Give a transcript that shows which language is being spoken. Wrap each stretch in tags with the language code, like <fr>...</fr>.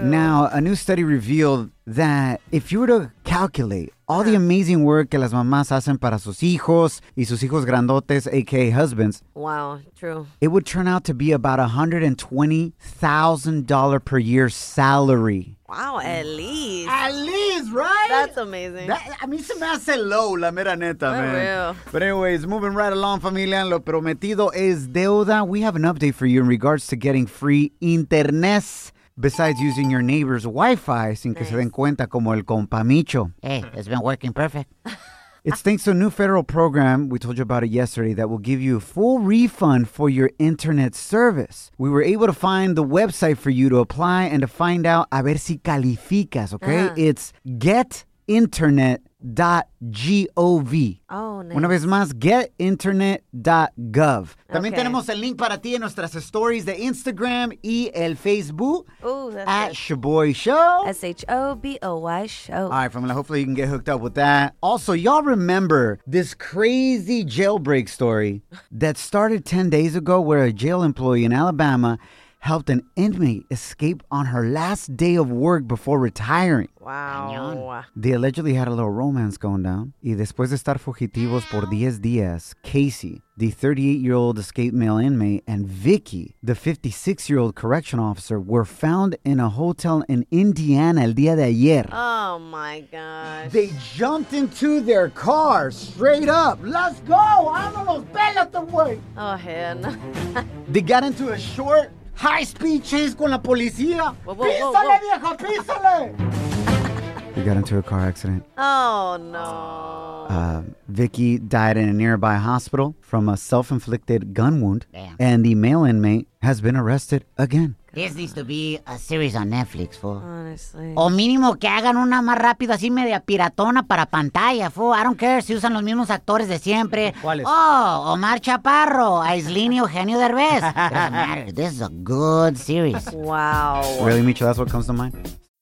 <en>Now, a new study revealed that if you were to calculate all the amazing work</en> <es>que las mamás hacen para sus hijos y sus hijos grandotes,</es> <en>a.k.a. husbands. Wow, true. It would turn out to be about $120,000 per year salary. Wow, at least. At least, right? That's amazing.</en> <es>A mí se me hace low, la mera neta, man.</es> <en>Real. But anyways, moving right along, familia.</en> <es>Lo prometido es deuda.</es> <en>We have an update for you in regards to getting free internet. Besides using your neighbor's Wi-Fi,</en> <es>sin que se den cuenta como el compa Micho.</es> <en>Hey, it's been working perfect. It's thanks to a new federal program, we told you about it yesterday, that will give you a full refund for your internet service. We were able to find the website for you to apply and to find out,</en> <es>a ver si calificas,</es> <en>okay? Uh-huh. It's getinternet.gov. Oh, nice.</en> <es>Una vez más, getinternet.gov. También okay. Tenemos el link para ti en nuestras stories de Instagram y el Facebook. Ooh,</es> <en>at Shaboy Show. S-H-O-B-O-Y Show. All right, familia, hopefully you can get hooked up with that. Also, y'all remember this crazy jailbreak story that started 10 days ago where a jail employee in Alabama helped an inmate escape on her last day of work before retiring. Wow. They allegedly had a little romance going down.</en> <es>Y después de estar fugitivos por 10 días,</es> <en>Casey, the 38-year-old escaped male inmate, and Vicky, the 56-year-old correction officer, were found in a hotel in Indiana</en> <es>el día de ayer.</es> <en>Oh, my gosh. They jumped into their car straight up. Let's go.</en> <es>Vámonos. Pélate, güey.</es> <en>Oh, hell no. They got into a short high-speed chase</en> <es>con la policía. Písale, vieja, písale.</es> <en>He got into a car accident. Oh, no. Vicky died in a nearby hospital from a self-inflicted gun wound. Damn. And the male inmate has been arrested again. This needs to be a series on Netflix, fool. Honestly.</en> <es>O mínimo que hagan una más rápido, así media piratona para pantalla, fool.</es> <en>I don't care</en> <es>si usan los mismos actores de siempre. ¿Cuáles?</es> <en>Oh, Omar Chaparro, Aislinn y Eugenio Derbez. Doesn't matter. This is a good series. Wow. Really, Micho, that's what comes to mind?</en>